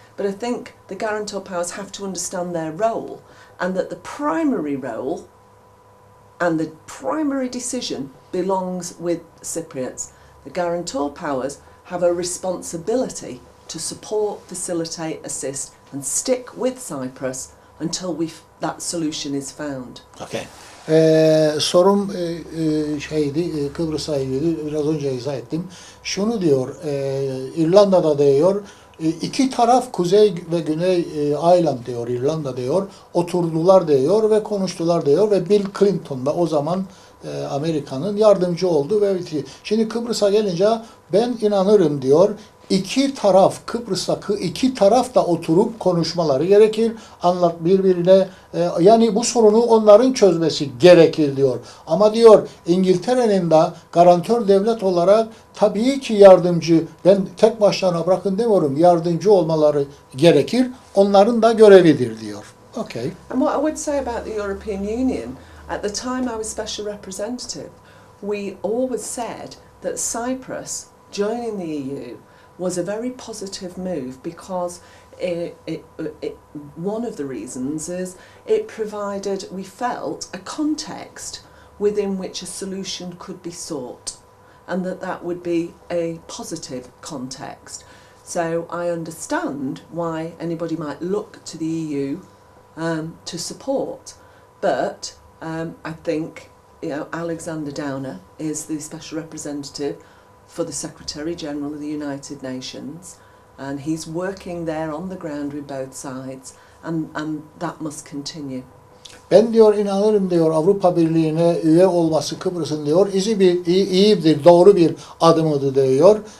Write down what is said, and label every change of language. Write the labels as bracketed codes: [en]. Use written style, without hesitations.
[en] But I think the guarantor powers have to understand their role, and that the primary role and the primary decision belongs with Cypriots. The guarantor powers have a responsibility to support, facilitate, assist and stick with Cyprus until that solution is found. Okay. [tr] Sorum şeydi, Kıbrıs'a ilgili, biraz önce izah ettim. Şunu diyor, İrlanda'da diyor, iki taraf Kuzey ve Güney Ireland diyor, İrlanda diyor, oturdular diyor ve konuştular diyor ve Bill Clinton da o zaman Amerika'nın yardımcı oldu ve bitiyor. Şimdi Kıbrıs'a gelince ben inanırım diyor, iki taraf Kıbrıs'ta iki taraf da oturup konuşmaları gerekir. Anlat birbirine yani bu sorunu onların çözmesi gerekir diyor. Ama diyor İngiltere'nin de garantör devlet olarak tabii ki yardımcı, ben tek başlarına bırakın demiyorum, yardımcı olmaları gerekir. Onların da görevidir diyor. Okay. [en] And what I would say about the European Union, at the time I was special representative, we always said that Cyprus joining the EU was a very positive move, because it one of the reasons is it provided, we felt, a context within which a solution could be sought, and that would be a positive context. So I understand why anybody might look to the EU to support, but I think, you know, Alexander Downer is the special representative for the Secretary General of the United Nations, and he's working there on the ground with both sides, and that must continue. [tr] Ben diyor inanırım diyor Avrupa Birliği'ne üye olması Kıbrıs'ın diyor iyi bir doğru bir adımıydı diyor.